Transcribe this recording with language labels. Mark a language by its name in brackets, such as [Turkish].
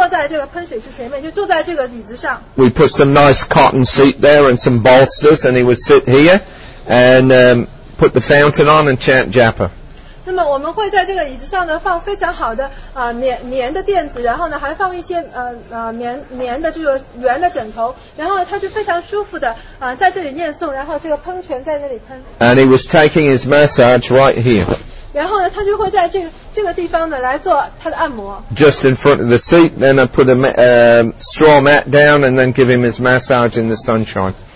[Chinese] 那么，薛帕很喜欢这个喷水池，然后呢，他喜欢坐在这个喷水池前面，就坐在这个椅子上。 [English] We put some nice cotton seat there and some bolsters, and he would sit here. And put the fountain on and chant japa. [Chinese] 那么我们会在这个椅子上呢放非常好的棉的垫子，然后呢还放一些棉的这个圆的枕头，然后呢他就非常舒服的在这里念诵，然后这个喷泉在那里喷。 [English] And he was taking his massage right here. [Chinese] 然后呢他就会在这个地方呢来做他的按摩。 [English] Just in front of the seat, then I put a straw mat down and then give him his massage in the sunshine.